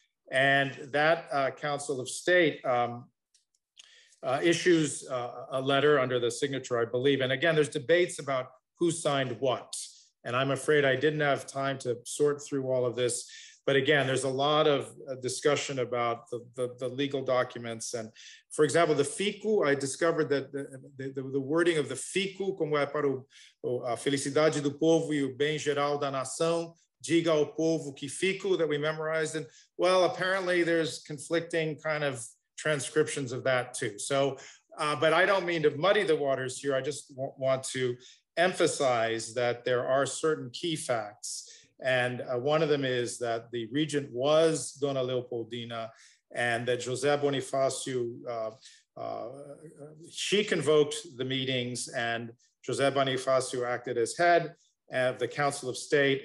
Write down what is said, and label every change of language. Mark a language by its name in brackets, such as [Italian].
[English] And that Council of State issues a letter under the signature, I believe. And again, there's debates about who signed what. And I'm afraid I didn't have time to sort through all of this. But again, there's a lot of discussion about the legal documents. And for example, the fiku, [Portuguese] I discovered that the wording of the fiku, como é para a felicidade do povo e o bem geral da nação, diga ao povo que fico, [English] that we memorized. And well, apparently there's conflicting kind of transcriptions of that too. So, but I don't mean to muddy the waters here. I just want to emphasize that there are certain key facts. And one of them is that the regent was Dona Leopoldina and that José Bonifácio, she convoked the meetings and José Bonifácio acted as head of the Council of State.